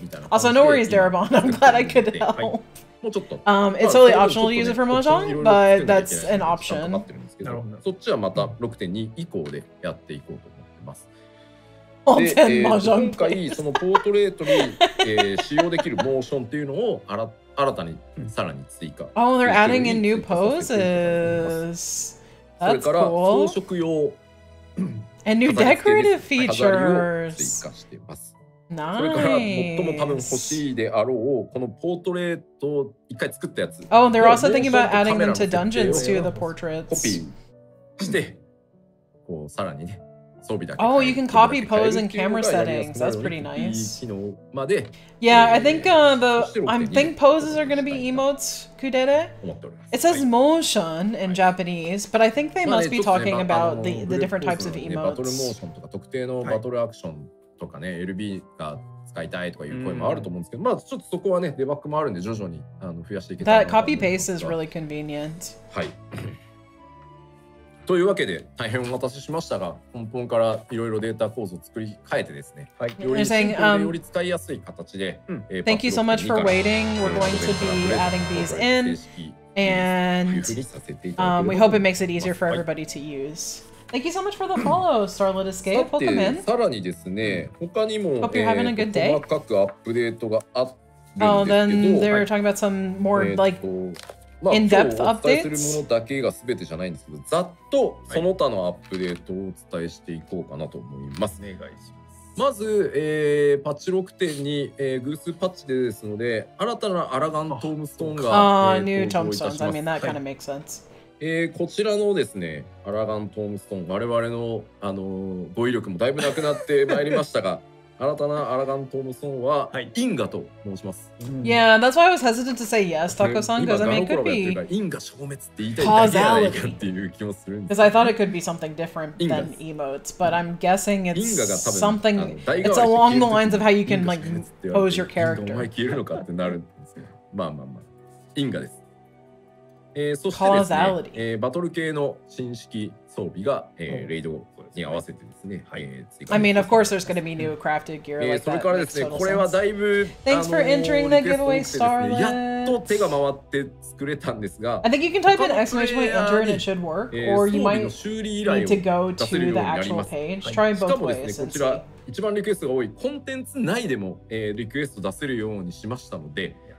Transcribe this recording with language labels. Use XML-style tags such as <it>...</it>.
<en>Also, no worries, Darabon. I'm glad I could help. It's totally optional to use it for Mahjong, but that's an option.</en> <ja>そっちはまた 6.2 以降でやっていこうと思ってます。で、今回そのポートレートに使用できるモーションっていうのを新たにさらに追加。</ja> <en>Oh, they're adding in new poses.</en> <ja>それから装飾用。</ja> <en>And new decorative features.</en> <ja>追加しています。それから最も多分欲しいであろうこのポートレートを一回作ったやつ。</ja> <en>Oh, they're also thinking about adding them to dungeons to the portraits.</en> <ja>コピーして、こうさらにね、装備だけ。</ja> <en>Oh, you can copy pose and camera settings. That's pretty nice.</en> <ja>まで。</ja> <en>Yeah, I think I think poses are gonna be emotes, Kudere. It says motion in Japanese, but I think they must be talking about the different types of emotes.</en> <ja>バトルモーションとか特定のバトルアクション。とかね、LB が使いたいとかいう声もあると思うんですけど、まあちょっとそこはね、デバッグもあるんで徐々にあの増やしていけた</ja> <en>ら。That copy paste is really convenient.</en> <ja>はい。というわけで大変お待たせしましたが、根本からいろいろデータ構造を作り変えてですね、はい、より先行でより使いやすい形で。</ja> <en>Thank you so much for waiting. We're going to be adding these in, and we hope it makes it easier for everybody to use. Thank you so much for the follow, Starlit Escape. Welcome in.</en> <ja>さらにですね、他にも、</ja> <en>Hope you're having a good day.</en> <ja>細かくアップデートがあるんですけど、</ja> <en>oh, then they're talking about some more like in-depth updates.</en> <ja>今日お伝えするものだけが全てじゃないんですけど、ざっとその他のアップデートをお伝えしていこうかなと思います。お願いします。まず、パッチ 6.2、偶数パッチでですので、新たなアラガントームストーンが、</ja> <en>new tombstones. I mean, that kind of makes sense.</en> <ja>こちらのですね、アラガントームストーン、我々の、語彙力もだいぶなくなってまいりましたが、新たなアラガントームストーンは、はい、インガと申します。</ja> <en>Yeah, that's why I was hesitant to say yes, Taco-san, because I mean, it could be</en> <ja>インガ消滅って言いたいだけじゃないかっていう気もするんです。</ja> <en>Because I thought it could be something different than emotes, but I'm guessing it's something, it's along the lines of how you can like pose your character.</en> <ja>インガ消えるのかってなるんですけど、まあまあまあ、インガです。そしてですね、バトル系の新式装備が、レイドに合わせてですね、はい、追</ja> <en>加。I mean, of course, there's going to be new crafted gear. Like、</en> <ja>それからですね、これはだいぶ、</ja> <en>Thanks for entering the giveaway, Starlet.</en> <ja>やっと手が回って作れたんですが、</ja> <en>I think you can type in exclamation point enter and it should work, or you might need to go to the actual page. Try both ways.</en> <ja>しかもですね、こちら一番リクエストが多いコンテンツ内でも、リクエスト出せるようにしましたので、</ja>